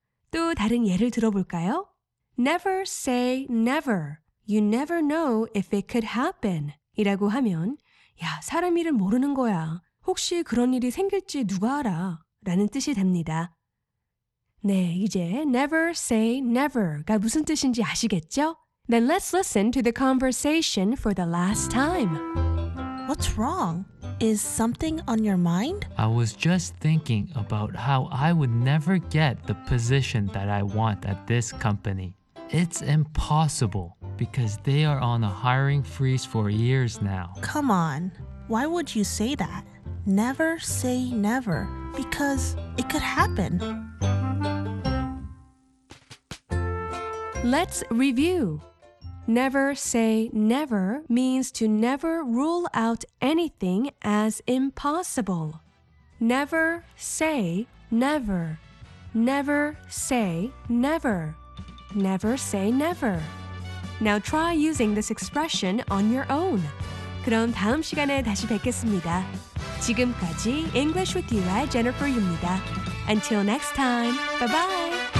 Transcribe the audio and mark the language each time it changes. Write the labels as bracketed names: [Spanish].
[Korean] 또 다른 예를 들어볼까요? [English] Never say never. You never know if it could happen [Korean] 이라고 하면 야, 사람 일은 모르는 거야. 혹시 그런 일이 생길지 누가 알아 라는 뜻이 됩니다. 네, 이제 [English] never say never [Korean] 가 무슨 뜻인지 아시겠죠? [English] Then let's listen to the conversation for the last time. What's wrong? Is something on your mind? I was just thinking about how I would never get the position that I want at this company. It's impossible because they are on a hiring freeze for years now. Come on, why would you say that? Never say never, because it could happen. Let's review. Never say never means to never rule out anything as impossible. Never say never. Never say never. Never say never. Now try using this expression on your own. [Korean] 그럼 다음 시간에 다시 뵙겠습니다. 지금까지 English with You의 Jennifer입니다. [English] Until next time, bye-bye.